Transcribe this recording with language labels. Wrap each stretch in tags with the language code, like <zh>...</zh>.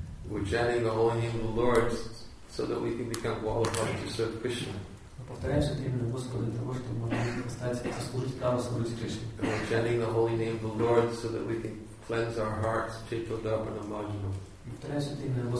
<en>We're chanting the Holy Name of the Lord so that we can become qualified to serve Krishna.</en> <ru>Мы повторяем Святое Имя Господа для того, чтобы мы могли стать служить праву служить Кришне.</ru> <en>We're chanting the Holy Name of the Lord so that we can cleanse our hearts, Chittodarpana Marjana.</en>